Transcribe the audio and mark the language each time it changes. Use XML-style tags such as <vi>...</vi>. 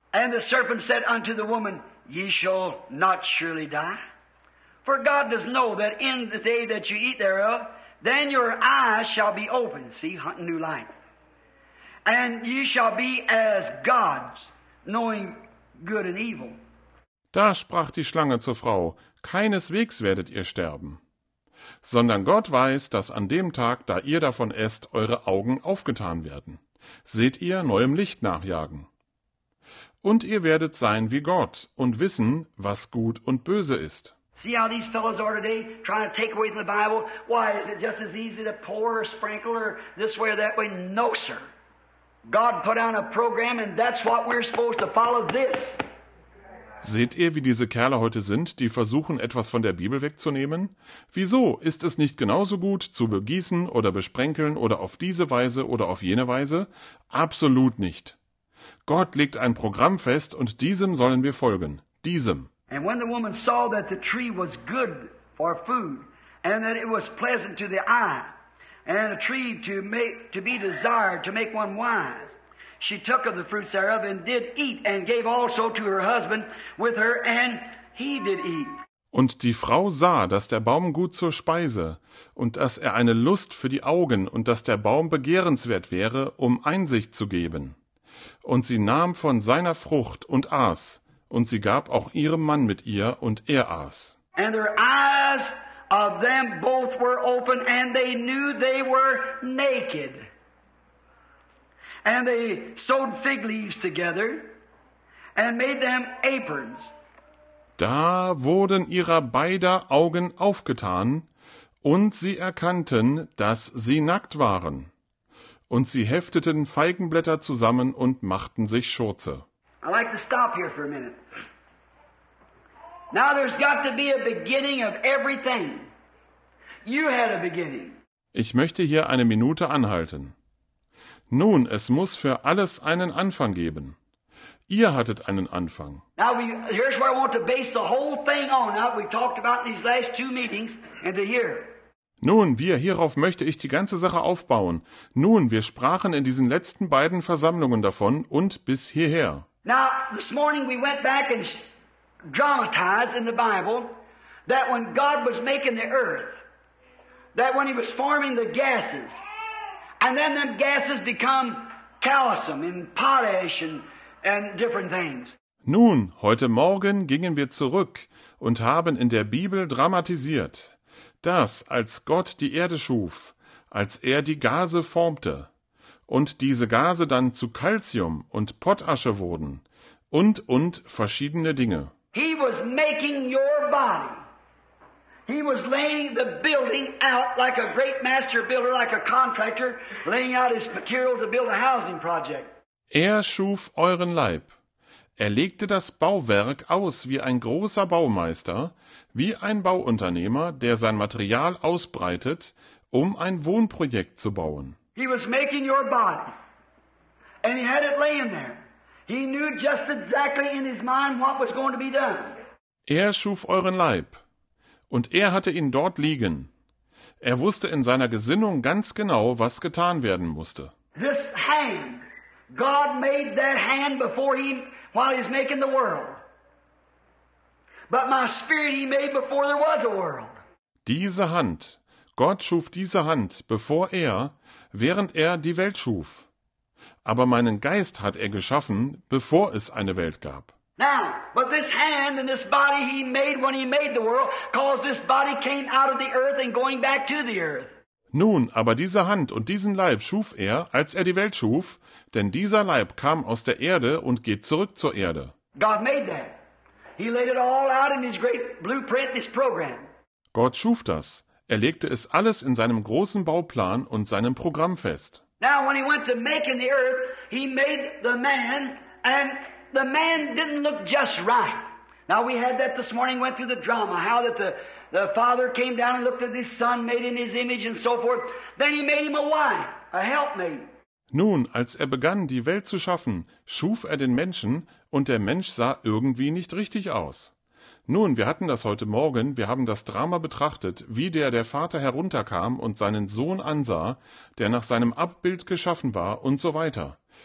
<en>And the serpent said unto the woman, ye shall not surely die. For God does know that in the day that you eat thereof, then your eyes shall be opened. See, hunting new light. And ye shall be as gods, knowing good and evil.</en> <de>Da sprach die Schlange zur Frau, keineswegs werdet ihr sterben, sondern Gott weiß, dass an dem Tag, da ihr davon esst, eure Augen aufgetan werden. Seht ihr neuem Licht nachjagen. Und ihr werdet sein wie Gott und wissen, was gut und böse ist.</de> <en>See how these fellows are today trying to take away from the Bible? Why, is it just as easy to pour or sprinkle or this way or that way? No, sir. God put on a program and that's what we're supposed to follow this.</en> <de>Seht ihr, wie diese Kerle heute sind, die versuchen, etwas von der Bibel wegzunehmen? Wieso ist es nicht genauso gut, zu begießen oder besprenkeln oder auf diese Weise oder auf jene Weise? Absolut nicht. Gott legt ein Programm fest und diesem sollen wir folgen. Diesem.</de> <en>And when the woman saw that the tree was good for food, and that it was pleasant to the eye, and a tree to be desired to make one wise, she took of the fruits thereof and did eat, and gave also to her husband with her, and he did eat.</en> <de>Und die Frau sah, dass der Baum gut zur Speise, und dass er eine Lust für die Augen, und dass der Baum begehrenswert wäre, um Einsicht zu geben. Und sie nahm von seiner Frucht und aß, und sie gab auch ihrem Mann mit ihr, und er aß.</de> <en>And their eyes of them both were open, and they knew they were naked. And they sewed fig leaves together and made them aprons.</en> <de>Da wurden ihrer beider Augen aufgetan, und sie erkannten, dass sie nackt waren. Und sie hefteten Feigenblätter zusammen und machten sich Schurze.</de> <en>I'd like to stop here for a minute. Now there's got to be a beginning of everything. You had a beginning.</en> <de>Ich möchte hier eine Minute anhalten. Nun, es muss für alles einen Anfang geben. Ihr hattet einen Anfang.</de> <en>Now here's where I want to base the whole thing on. Now we talked about these last two meetings and the year.</en> <de>Nun, hierauf möchte ich die ganze Sache aufbauen. Nun, wir sprachen in diesen letzten beiden Versammlungen davon und bis hierher.</de> <en>Now, this morning we went back and dramatized in the Bible that when God was making the earth, that when he was forming the gases, and then them gases become calcium and potash and different things.</en> <de>Nun, heute Morgen gingen wir zurück und haben in der Bibel dramatisiert, dass als Gott die Erde schuf, als er die Gase formte, und diese Gase dann zu Calcium und Potasche wurden und verschiedene Dinge.</de> <en>He was making your body. He was laying the building out like a great master builder, like a contractor laying out his material to build a housing project.</en> <de>Er schuf euren Leib. Er legte das Bauwerk aus wie ein großer Baumeister, wie ein Bauunternehmer, der sein Material ausbreitet, um ein Wohnprojekt zu bauen.</de> <en>He was making your body, and he had it laying there. He knew just exactly in his mind what was going to be done.</en> <de>Er schuf euren Leib, und er hatte ihn dort liegen. Er wusste in seiner Gesinnung ganz genau, was getan werden musste.</de> <en>This hand, God made that hand before he, while he's making the world. But my spirit he made before there was a world.</en> <de>Diese Hand, Gott schuf diese Hand, bevor er, während er die Welt schuf. Aber meinen Geist hat er geschaffen, bevor es eine Welt gab.</de> <en>Now, but this hand and this body he made when he made the world, cause this body came out of the earth and going back to the earth.</en> <de>Nun, aber diese Hand und diesen Leib schuf er, als er die Welt schuf, denn dieser Leib kam aus der Erde und geht zurück zur Erde.</de> <en>God made that. He laid it all out in his great blueprint, his program.</en> <de>Gott schuf das. Er legte es alles in seinem großen Bauplan und seinem Programm fest.</de> <en>Now, when he went to making the earth, he made the man and the man didn't look just right. Now we had that this morning, went through the drama, how that the father came down and looked at his son, made in his image and so forth. Then he made him a wife, a helpmate.</en> <de>Nun, als er begann, die Welt zu schaffen, schuf er den Menschen und der Mensch sah irgendwie nicht richtig aus. Nun, wir hatten das heute Morgen, wir haben das Drama betrachtet, wie der Vater herunterkam und seinen Sohn ansah, der nach seinem Abbild geschaffen war und so weiter.</de>